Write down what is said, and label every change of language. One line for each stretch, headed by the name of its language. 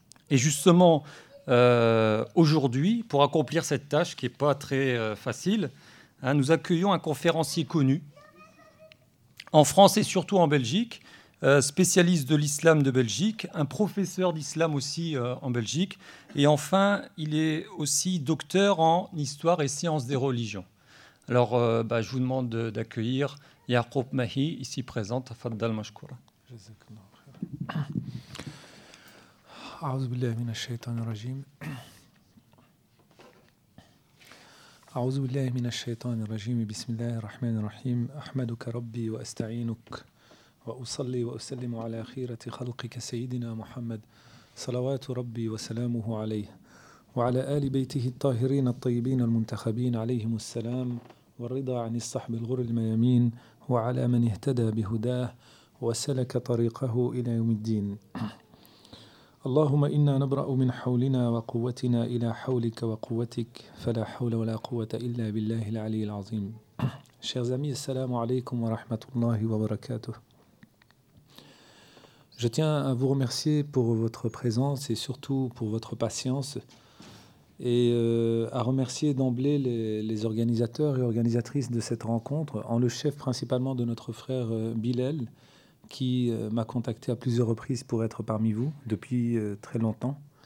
French: Et justement, aujourd'hui, pour accomplir cette tâche qui n'est pas très facile, nous accueillons un conférencier connu en France et surtout en Belgique, spécialiste de l'islam de Belgique, un professeur d'islam aussi en Belgique. Et enfin, il est aussi docteur en histoire et sciences des religions. Alors, je vous demande d'accueillir Yaqoub Mahi, ici présente, Faddal Mashkoura.
Arabic: أعوذ بالله من الشيطان الرجيم أعوذ بالله من الشيطان الرجيم بسم الله الرحمن الرحيم أحمدك ربي وأستعينك وأصلي وأسلم على خيرة خلقك سيدنا محمد صلوات ربي وسلامه عليه وعلى آل بيته الطاهرين الطيبين المنتخبين عليهم السلام والرضا عن الصحب الغر الميامين وعلى من اهتدى بهداه وسلك طريقه إلى يوم الدين اللهم إنا نبرأ من حولنا وقوتنا إلى حولك وقوتك فلا حول ولا قوة إلا بالله العلي العظيم
French: Chers amis,
Arabic: السلام عليكم ورحمة الله وبركاته.
French: Je tiens à vous remercier pour votre présence et surtout pour votre patience et à remercier d'emblée les organisateurs et organisatrices de cette rencontre, en le chef principalement de notre frère Bilal, qui m'a contacté à plusieurs reprises pour être parmi vous depuis très longtemps.